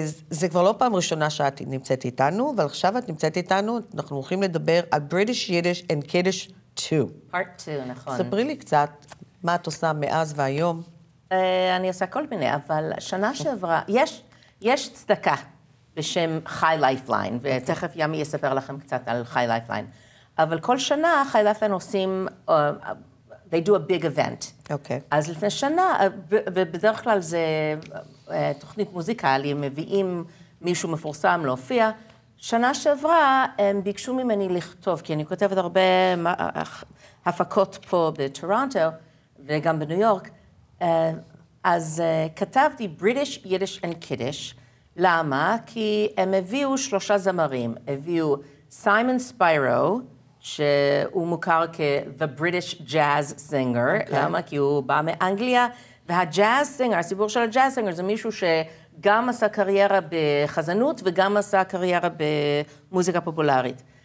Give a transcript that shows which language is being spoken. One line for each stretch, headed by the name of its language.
Hebrew: זה כבר לא פעם ראשונה שאת נמצאת איתנו, אבל עכשיו את נמצאת איתנו, אנחנו הולכים לדבר על British Yiddish and Kiddish 2.
English: Part 2,
Hebrew: נכון. ספרי לי קצת מה את עושה מאז והיום. אני עושה כל מיני, אבל שנה שעברה, יש צדקה בשם High Lifeline, ותכף ימי יספר לכם קצת על High Lifeline. אבל כל שנה
English: High Lifeline
Hebrew: עושים,
English: they do a big event.
Hebrew: אוקיי. אז לפני שנה, ובדרך כלל זה תוכנית מוזיקלית, מביאים מישהו מפורסם להופיע. שנה שעברה הם ביקשו ממני לכתוב, כי אני כותבת הרבה הפקות פה בטורונטו, וגם בניו יורק. אז כתבתי British, Yiddish and Kiddish. למה? כי הם הביאו שלושה זמרים. הביאו סיימון ספיירו, שהוא מוכר כ-The British Jazz Singer. Okay. למה? כי הוא בא מאנגליה, והג'אז סינגר, הסיפור של הג'אז סינגר, זה מישהו שגם עשה קריירה בחזנות, וגם עשה קריירה במוזיקה פופולרית.